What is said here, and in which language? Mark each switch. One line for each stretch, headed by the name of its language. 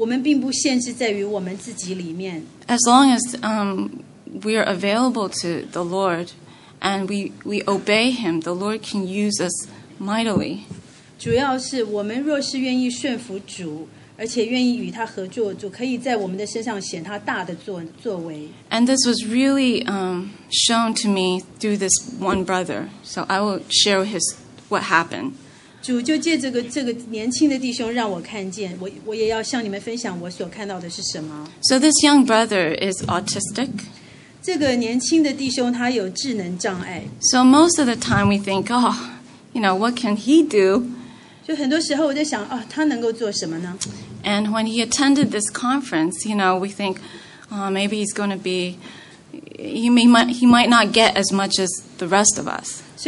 Chinese: 就是在这次的特会，是因着与这个年轻的弟兄搭配，主让我看见，我们并不限制在于我们自己里面。
English: As long as we are available to the Lord, and we obey Him, the Lord can use us mightily.
Chinese: 主要是我们若是愿意顺服主。而且愿意与他合作，主可以在我们的身上显他大的作为。
English: And this was really shown to me through this one brother. So I will share what happened.
Chinese: 主就借这个年轻的弟兄让我看见，我也要向你们分享我所看到的是什么。
English: So this young brother is autistic.
Chinese: 这个年轻的弟兄他有智能障碍。
English: So most of the time we think, oh, you know, what can he do?
Chinese: 就很多时候我在想，哦，他能够做什么呢？
English: And when he attended this conference, you know, we think, maybe he's going to be, he might not get as much as the rest of us.